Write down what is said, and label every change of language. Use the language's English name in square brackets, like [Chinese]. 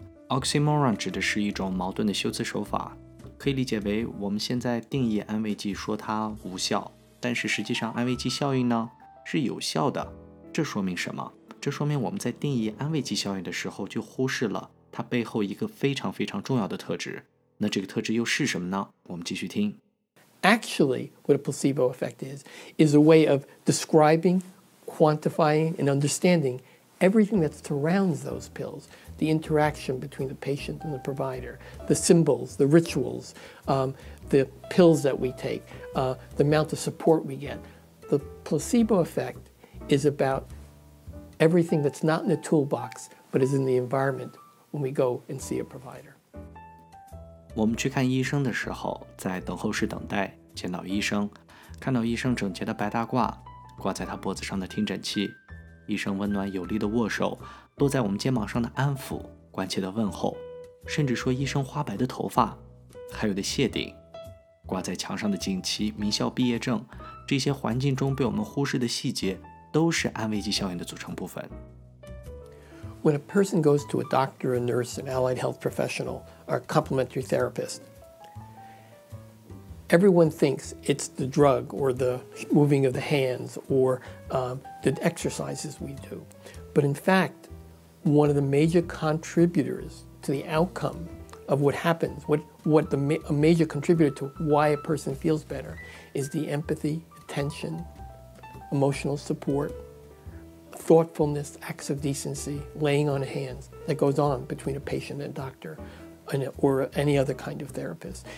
[Chinese] Oxymoron 指的是一种矛盾的修辞手法，可以理解为我们现在定义安慰剂说它无效，但是实际上安慰剂效应呢是有效的。这说明什么？这说明我们在定义安慰剂效应的时候就忽视了它背后一个非常非常重要的特质。那这个特质又是什么呢？我们继续听。 [English] Actually, what a placebo effect is a way of describing, quantifying, and understanding everything that surrounds those pills, the interaction between the patient and the provider, the symbols, the rituals, the pills that we take, the amount of support we get. The placebo effect is about everything that's not in the toolbox, but is in the environment when we go and see a provider. [Chinese] 我们去看医生的时候，在等候室等待，见到医生，看到医生整洁的白大褂，挂在他脖子上的听诊器，医生温暖有力的握手，落在我们肩膀上的安抚，关切的问候，甚至说医生花白的头发，还有的谢顶，挂在墙上的锦旗、名校毕业证，这些环境中被我们忽视的细节，都是安慰剂效应的组成部分。 [English] When a person goes to a doctor, a nurse, an allied health professional, or a complementary therapist, everyone thinks it's the drug or the moving of the hands or the exercises we do. But in fact, one of the major contributors to the outcome of what happens, a major contributor to why a person feels better is the empathy, attention, emotional support,thoughtfulness, acts of decency, laying on hands that goes on between a patient and a doctor or any other kind of therapist.